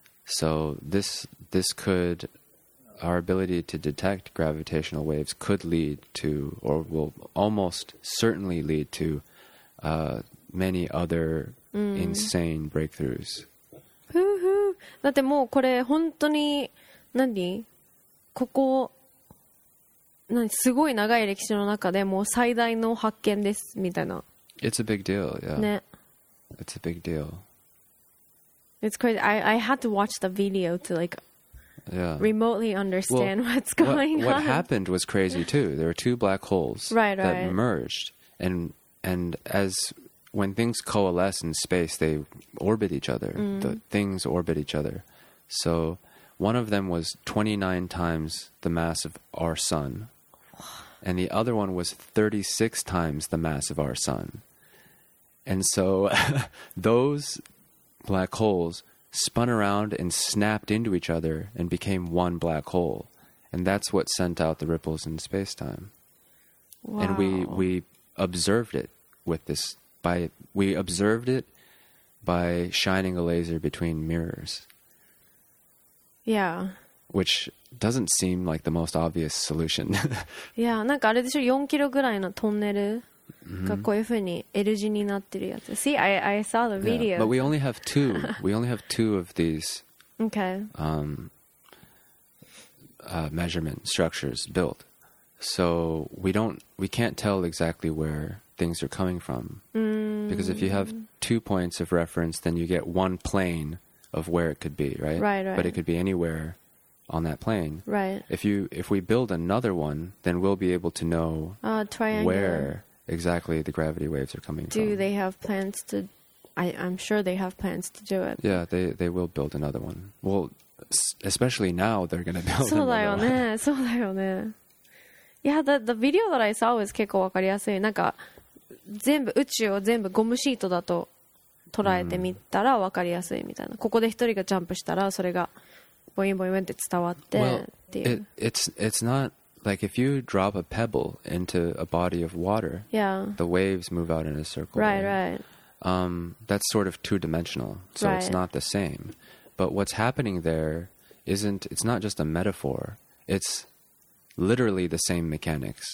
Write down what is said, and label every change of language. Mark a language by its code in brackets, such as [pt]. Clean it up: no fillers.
[en] So this could, our ability to detect gravitational waves could lead to, or will almost certainly lead to, many other insane breakthroughs. Woohoo! [ja] だってもうこれ本当に何ここ何すごい長い歴史の中でもう最大の発見ですみたいな。 [en] It's a big deal, yeah. [ja] ね。 [en] It's a big deal. It's crazy. I had to watch the video to like remotely understand well, what's going what, on. What happened was crazy too. There were two black holes right. that merged and as when things coalesce in space, they orbit each other. The things orbit each other. So one of them was 29 times the mass of our sun. And the other one was 36 times the mass of our sun. And so those black holes spun around and snapped into each other and became one black hole. And that's what sent out the ripples in space-time. Wow. And we observed it. With this, we observed it by shining a laser between mirrors. Yeah, which doesn't seem like the most obvious solution. Yeah, [ja] なんかあれでしょ、4キロぐらいのトンネルがこういうふうに L 字になってるやつ。 [en] See, I saw the video. Yeah, but we only have two of these. Okay. Measurement structures built. So we can't tell exactly where things are coming from. Because if you have two points of reference, then you get one plane of where it could be, right? Right, right. But it could be anywhere on that plane. Right. If we build another one, then we'll be able to know where exactly the gravity waves are coming from. Do they have plans to... I'm sure they have plans to do it. Yeah, they will build another one. Well, especially now, they're going to build another one. [ja] そうだよね。 [en] Yeah, the video that I saw was [ja] 結構わかりやすい。なんか、全部、宇宙を全部ゴムシートだと捉えてみたらわかりやすいみたいな。ここで一人がジャンプしたら、それがボインボインって伝わってっていう。 [en] Well, it's not like if you drop a pebble into a body of water, yeah. The waves move out in a circle. Right. That's sort of two-dimensional, so right. It's not the same. But what's happening there isn't, it's not just a metaphor, it's literally the same mechanics.